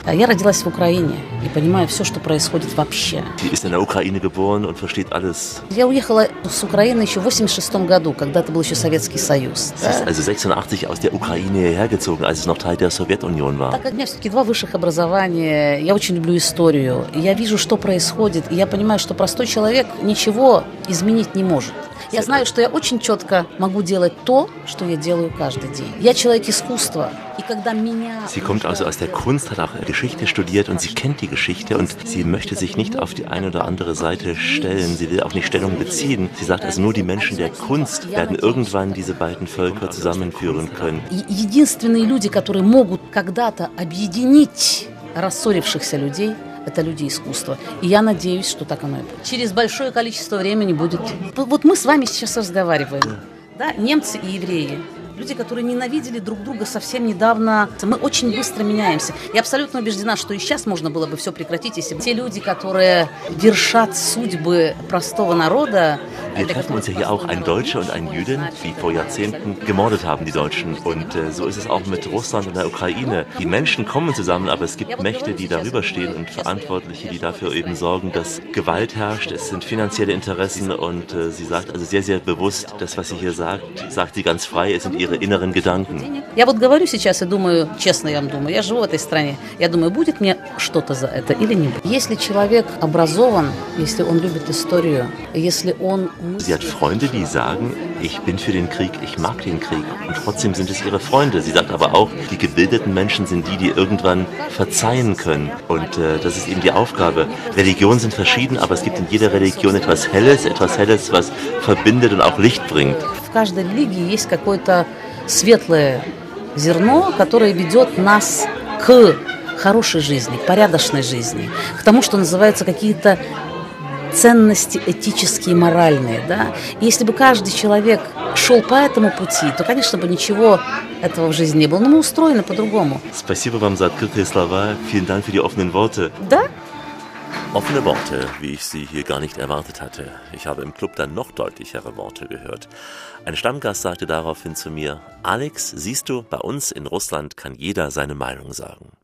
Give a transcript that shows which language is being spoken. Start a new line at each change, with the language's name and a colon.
Russian: Я родилась в Украине и понимаю все, что происходит вообще.
German: Sie ist in der Ukraine geboren und versteht alles.
Russian: Я уехала с Украины еще в 86 году, когда это был еще Советский Союз.
German: Sie ist also 86 aus der Ukraine hergezogen, als es noch Teil der Sowjetunion war.
Russian: Так как у меня все-таки два высших образования, я очень люблю историю. Я вижу, что происходит, и я понимаю, что простой человек ничего изменить не может. Я знаю, что я очень четко могу делать то, что я делаю каждый день. Я человек искусства.
German: Sie kommt also aus der Kunst, hat auch Geschichte studiert und sie kennt die Geschichte und sie möchte sich nicht auf die eine oder andere Seite stellen. Sie will auch nicht Stellung beziehen. Sie sagt also, nur die Menschen der Kunst werden irgendwann diese beiden Völker zusammenführen können.
Russian: Единственные люди, которые могут когда-то объединить рассорившихся людей, это люди искусства. И я надеюсь, что так оно и будет. Через большое количество времени будет. Вот мы с вами сейчас разговариваем, да, немцы и евреи. Люди, которые ненавидели друг друга совсем недавно, мы очень быстро меняемся. Я абсолютно убеждена, что и сейчас можно было бы все прекратить, если бы те люди, которые вершат судьбы простого народа,
German: Wir treffen uns ja hier auch, ein Deutscher und ein Jüdin, die vor Jahrzehnten gemordet haben, die Deutschen. Und so ist es auch mit Russland und der Ukraine. Die Menschen kommen zusammen, aber es gibt Mächte, die darüber stehen und Verantwortliche, die dafür eben sorgen, dass Gewalt herrscht. Es sind finanzielle Interessen und sie sagt also sehr, sehr bewusst, das, was sie hier sagt, sagt sie ganz frei, es sind ihre inneren Gedanken.
Russian: Я вот говорю сейчас и думаю, честно я вам думаю, я живу в этой стране, я думаю, будет мне что-то за это или не будет. Если человек образован, если он любит историю, если он...
German: Sie hat Freunde, die sagen, ich bin für den Krieg, ich mag den Krieg. Und trotzdem sind es ihre Freunde. Sie sagt aber auch, die gebildeten Menschen sind die, die irgendwann verzeihen können. Und das ist eben die Aufgabe. Religionen sind verschieden, aber es gibt in jeder Religion etwas Helles, was verbindet und auch Licht bringt.
Russian: В каждой религии есть какое-то светлое зерно, которое ведет нас к хорошей жизни, к порядочной жизни, к тому, что называется какие-то ценности этические, моральные, да? Если бы каждый человек шел по этому пути, то, конечно, бы ничего этого в жизни не было. Но мы устроены по-другому. Спасибо вам за открытые слова.
German: Vielen Dank für die offenen Worte.
Russian: Да?
German: Offene Worte, wie ich sie hier gar nicht erwartet hatte. Ich habe im Club dann noch deutlichere Worte gehört. Ein Stammgast sagte daraufhin zu mir: Alex, siehst du, bei uns in Russland kann jeder seine Meinung sagen.